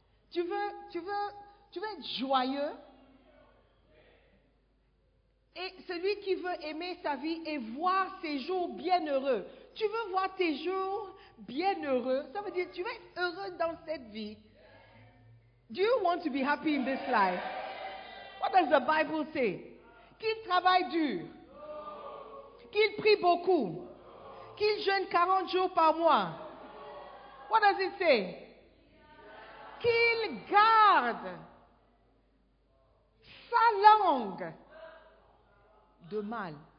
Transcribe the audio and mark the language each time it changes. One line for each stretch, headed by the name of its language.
French: Tu veux être joyeux? Et celui qui veut aimer sa vie et voir ses jours bienheureux, tu veux voir tes jours bienheureux? Ça veut dire tu veux être heureux dans cette vie.
English: Do you want to be happy in this life? What does the Bible say?
French: Qu'il travaille dur, qu'il prie beaucoup, qu'il jeûne 40 jours par mois.
English: What does it say?
French: Qu'il garde sa langue de mal.